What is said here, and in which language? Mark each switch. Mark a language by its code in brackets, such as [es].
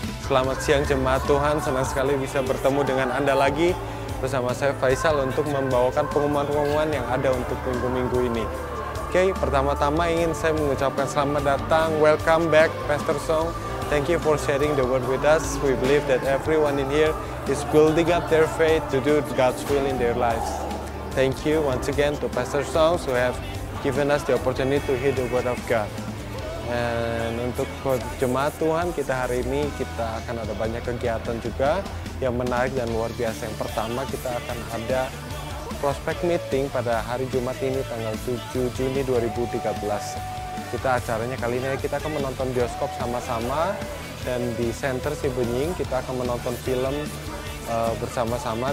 [id] Selamat siang jemaat Tuhan, senang sekali bisa bertemu dengan Anda lagi bersama saya Faisal untuk membawakan pengumuman-pengumuman yang ada untuk minggu-minggu ini. Oke, pertama-tama ingin saya mengucapkan selamat datang, [en] welcome back Pastor Song. Thank you for sharing the word with us. We believe that everyone in here is building up their faith to do God's will in their lives. Thank you once again to Pastor Song who have given us the opportunity to hear the word of God. [id] Dan untuk jemaat Tuhan kita hari ini, kita akan ada banyak kegiatan juga yang menarik dan luar biasa. Yang pertama, kita akan ada prospect meeting pada hari Jumat ini tanggal 7 Juni 2013. Kita acaranya kali ini kita akan menonton bioskop sama-sama, dan di Center Sibenying kita akan menonton film bersama-sama.